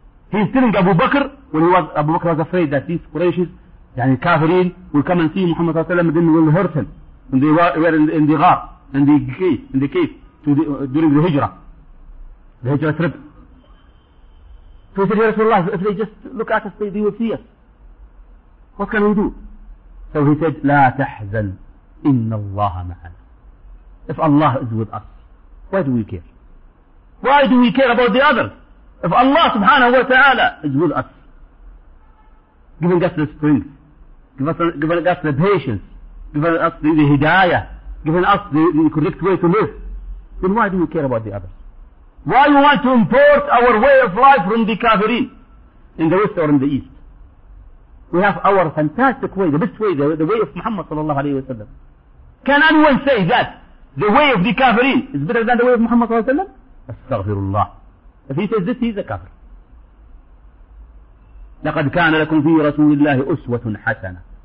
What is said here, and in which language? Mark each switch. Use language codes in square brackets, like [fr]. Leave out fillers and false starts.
[en] He's telling Abu Bakr, when Abu Bakr was afraid that these Quraysh's, yani kafirin, will come and see Muhammad sallallahu alayhi wa sallam, then will hurt him. And they were in the ghar, in the cave, during the hijrah. The hijrah trip. So he said, Ya Rasulullah, if they just look at us, they will see us. What can we do? So he said, [ar] لا تحزن إن الله معنا. [en] If Allah is with us, why do we care? Why do we care about the others? If Allah subhanahu wa ta'ala is with us, giving us the strength, giving us the patience, giving us the hidayah, giving us the correct way to live, then why do we care about the others? Why do we want to import our way of life from the kafirin in the west or in the east? We have our fantastic way, the best way, the way of Muhammad sallallahu alayhi wa sallam. Can anyone say that the way of the kafirin is better than the way of Muhammad sallallahu alayhi wa sallam? Astaghfirullah. If he says this, he is a kafir. [ar] لقد كان لكم في رسول الله أسوة حسنة.